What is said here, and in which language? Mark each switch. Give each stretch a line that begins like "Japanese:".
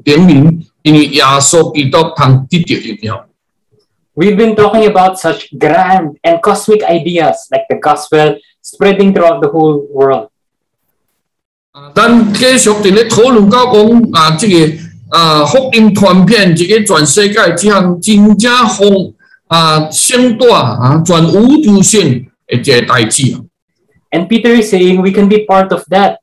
Min Nan Chinese: 这个，咱就跟着来听，听彼得来做这些代志，因为第十一节真清楚个人讲，叫上帝的万事显明，因为耶稣基督通得着荣耀。
English: We've been talking about such grand and cosmic ideas like the gospel spreading throughout the whole world.
Min Nan Chinese: 咱继续在咧讨论到讲啊，这个啊福音传遍这个全世界，这项真正宏啊盛大啊全宇宙性的这代志啊。
English: And Peter is saying we can be part of that.